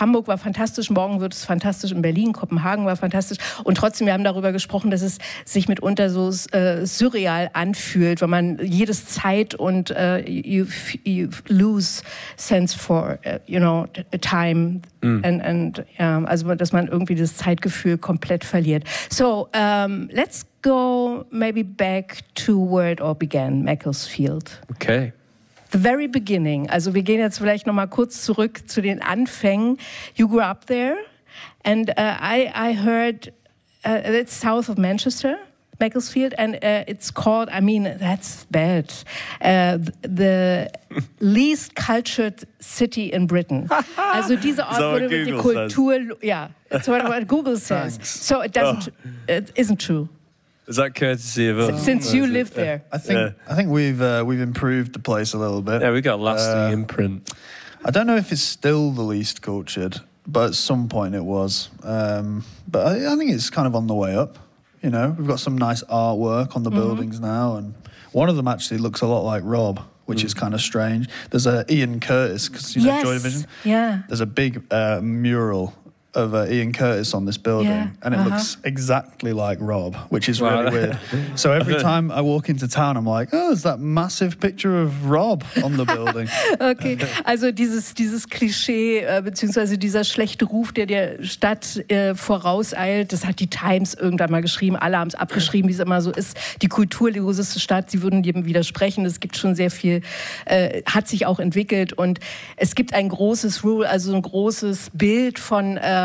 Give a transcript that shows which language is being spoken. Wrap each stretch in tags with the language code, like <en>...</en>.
<de>Hamburg war fantastisch, morgen wird es fantastisch in Berlin, Kopenhagen war fantastisch und trotzdem, wir haben darüber gesprochen, dass es sich mitunter so surreal anfühlt, wenn man jedes Zeit und</de> <en>you lose sense for time and yeah,</en> <de>also dass man irgendwie das Zeitgefühl komplett verliert.</de> <en>So, let's go maybe back to where it all began, Macclesfield. Okay. The very beginning.</en> <de>Also wir gehen jetzt vielleicht noch mal kurz zurück zu den Anfängen.</de> <en>You grew up there and I heard it's south of Manchester, Macclesfield, and it's called, that's bad, the least cultured city in Britain.</en> <de>Also dieser Ort wurde mit der Kultur,</de> <en>yeah, that's what Google says. Thanks. So it doesn't, it isn't true. Is that courtesy of us? Since you live there. I think we've improved the place a little bit. Yeah, we got a lasting imprint. I don't know if it's still the least cultured, but at some point it was. But I think it's kind of on the way up, you know. We've got some nice artwork on the mm-hmm. buildings now, and one of them actually looks a lot like Rob, which is kind of strange. There's a Ian Curtis, because you know yes. Joy Division? Yeah. There's a big mural of Ian Curtis on this building, yeah, and it looks exactly like Rob, which is really weird. So every time I walk into town, I'm like, oh, is that massive picture of Rob on the building?</en> <de>Okay, also dieses Klischee, beziehungsweise dieser schlechte Ruf, der Stadt vorauseilt, das hat die Times irgendwann mal geschrieben, alle haben es abgeschrieben, wie es immer so ist, die kulturloseste Stadt, sie würden jedem widersprechen, es gibt schon sehr viel, hat sich auch entwickelt und es gibt ein großes Rule, also ein großes Bild von</de>